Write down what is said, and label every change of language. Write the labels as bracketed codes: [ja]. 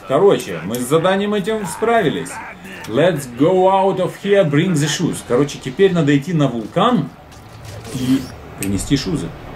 [ru] Короче, мы с заданием этим справились. [en] Let's go out of here, bring the shoes. [ru] Короче, теперь надо идти на вулкан и принести шузы.